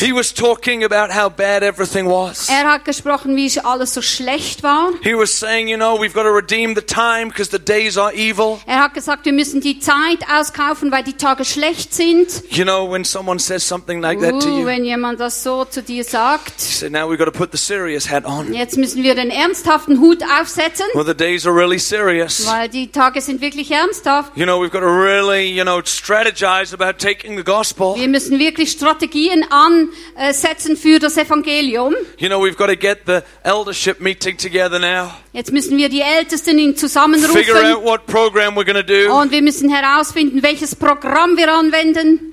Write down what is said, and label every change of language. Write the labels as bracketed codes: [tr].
[en] He was talking about how bad everything was. [de] Er hat gesprochen, wie alles so schlecht war. [en] He was saying, you know, we've got to redeem the time because the days are evil. [de] Er hat gesagt, wir müssen die Zeit auskaufen, weil die Tage schlecht sind. [en] You know, when someone says something like that to you. [de] Wenn jemand das so zu dir sagt. [en] He said, now we've got to put the serious hat on. [de] Jetzt müssen wir den ernsthaften Hut aufsetzen. [en] Well, the days are really serious. [de] Weil die Tage sind wirklich ernsthaft. [en] You know, we've got to really, you know, strategize about taking the gospel. [de] Wir müssen wirklich Strategien ansetzen für das Evangelium. [en] You know, we've got to get the eldership meeting together now. [de] Jetzt müssen wir die Ältesten zusammenrufen. [en] Figure out what program we're going to do. [de] Und wir müssen herausfinden, welches Programm wir anwenden.